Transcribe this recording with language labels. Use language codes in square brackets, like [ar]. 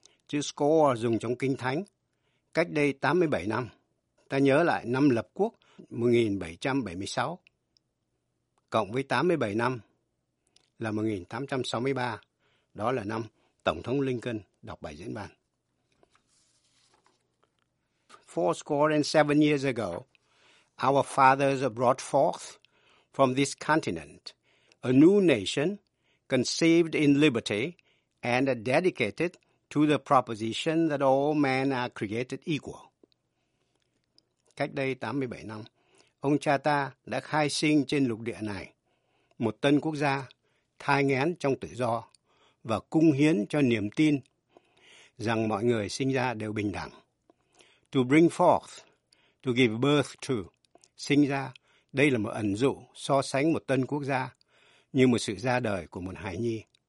[vi] Chữ score dùng trong Kinh Thánh, cách đây 87 năm. Ta nhớ lại năm lập quốc 1776, cộng với 87 năm là 1863, đó là năm Tổng thống Lincoln đọc bài diễn văn. [en] Four score and 7 years ago, our fathers brought forth from this continent a new nation conceived in liberty and dedicated to the proposition that all men are created equal. [vi] Cách đây 87 năm, ông cha ta đã khai sinh trên lục địa này một tân quốc gia thai nghén trong tự do và cung hiến cho niềm tin rằng mọi người sinh ra đều bình đẳng. [en] To bring forth, to give birth to, [vi] sinh ra, đây là một ẩn dụ so sánh một tân quốc gia như một sự ra đời của một hài nhi.